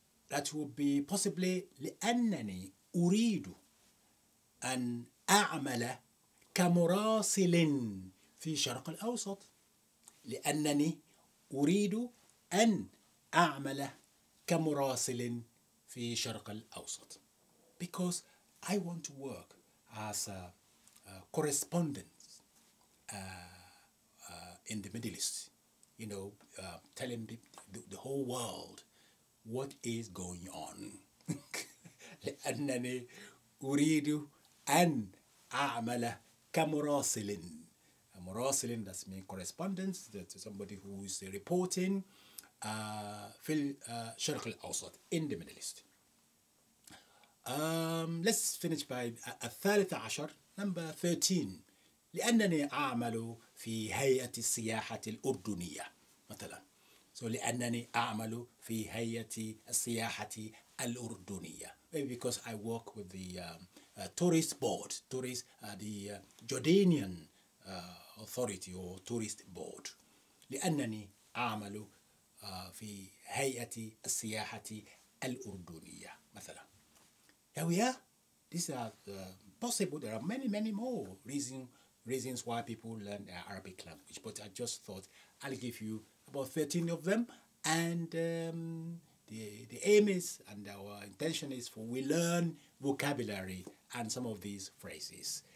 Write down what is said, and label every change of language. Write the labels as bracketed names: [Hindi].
[English] That would be possibly [Arabic] لأنني أريد أن أعمل كمراسل في الشرق الأوسط. لأنني أريد أن أعمل كمراسل في الشرق الأوسط. [English] Because I want to work as a correspondent in the Middle East, you know, telling the whole world what is going on. [Arabic] لأنني أريد أن أعمل كمراسلين. [English] A مراسلين, that's mean correspondence, that's somebody who is reporting [Arabic] في الشرق الأوسط, [English] in the Middle East. Let's finish by [Arabic] الثالث عشر, [English] number 13. [Arabic] لأنني أعمل في هيئة السياحة الأردنية مثلا. So لأنني أعمل في هيئة السياحة الأردنية. [English] Maybe because I work with the tourist board, Jordanian authority or tourist board. لأنني أعمل في هيئة السياحة الأردنية مثلا. Here we are. These are possible. There are many, many more reasons why people learn Arabic language. But I just thought I'll give you about 13 of them. And the aim is, and our intention is, for we learn vocabulary and some of these phrases.